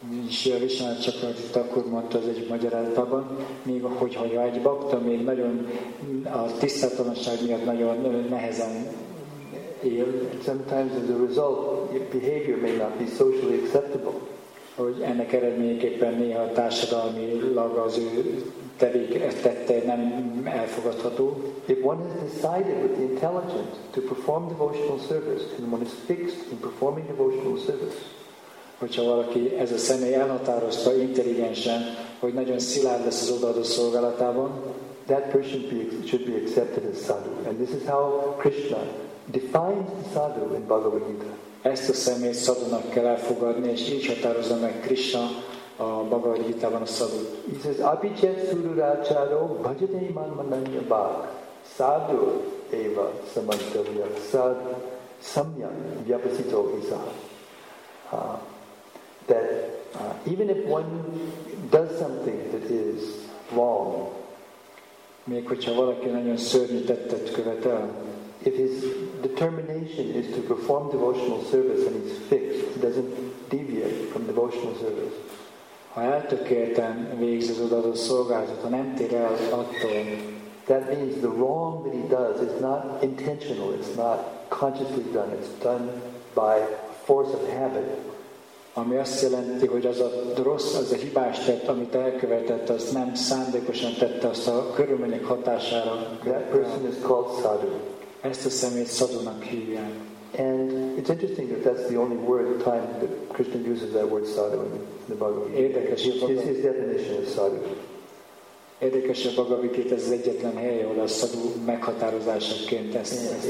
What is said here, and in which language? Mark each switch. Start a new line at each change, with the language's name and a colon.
Hungarian: Srila Vishwanath Chakravarti Thakur mondta az egy magyarázatában, még hogyha egy bakta még nagyon a tisztátalanság miatt nagyon nehezen él,
English: sometimes as a result behavior may not be socially acceptable.
Hungarian: Hogy ennek eredményeképpen néha a társadalmilag az ő tette nem elfogadható.
English: If one has decided with the intelligence to perform devotional service and one is fixed in performing devotional service,
Hungarian: hogyha valaki ez a személy elhatározta intelligensen, hogy nagyon szilárd lesz az odaadó szolgálatában,
English: that person should be accepted as sadhu. And this is how Krishna defines the sadhu in Bhagavad Gita.
Hungarian: Ezt a személyt szadunak kell elfogadni, és így határozza meg Krishna a Bhagavad Gita-ban a szadut.
Sanskrit: He says, Abhichet Sururacharo bhajate iman mananya bhag sadhu eva samantavya sadhu samyam vyapasito isa.
English: That even if one does something that is wrong,
Hungarian: még hogyha valaki nagyon szörnyű tettet követel,
English: if his determination is to perform devotional service and he's fixed, he doesn't deviate from devotional service.
Hungarian: Ha eltökélten végzi az odaadó szolgálatot, ha nem tér el attól,
English: that means the wrong that he does is not intentional, it's not consciously done, it's done by force of habit.
Hungarian: Ami azt jelenti, hogy az a rossz, az a hibás tett, amit elkövetett, az nem szándékosan tette azt a körülmények hatására.
English: That person is called sadhu.
Hungarian: Ezt a személyt szadunak hívják.
English: And it's interesting that that's the only word time that Krishna uses that word sadhu in the Bhagavad Gita. This is his definition of sadhu.
Hungarian: Érdekes a Bhagavad Gita, ez az egyetlen hely, ahol a sadhu meghatározásaként ezt használja.